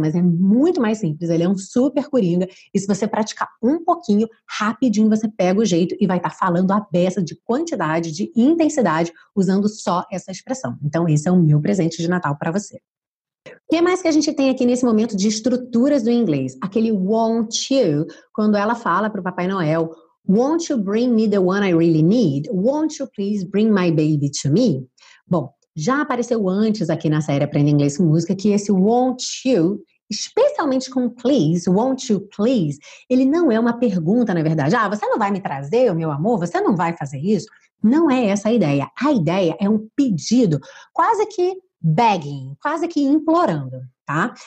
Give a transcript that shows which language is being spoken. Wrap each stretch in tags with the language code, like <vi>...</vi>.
<pt>Mas é muito mais simples, ele é um super coringa, e se você praticar um pouquinho, rapidinho você pega o jeito e vai estar falando a beça de quantidade, de intensidade, usando só essa expressão. Então esse é o meu presente de Natal para você. O que mais que a gente tem aqui nesse momento de estruturas do inglês? Aquele</pt> <en>won't you, quando ela fala para o Papai Noel, won't you bring me the one I really need? Won't you please bring my baby to me?</en> <pt>Bom, já apareceu antes aqui na série Aprenda Inglês com Música que esse won't you, especialmente com please,</pt> <en>won't you please,</en> <pt>ele não é uma pergunta, na verdade. Ah, você não vai me trazer, meu amor? Você não vai fazer isso? Não é essa a ideia. A ideia é um pedido, quase que begging, quase que implorando, tá?</pt>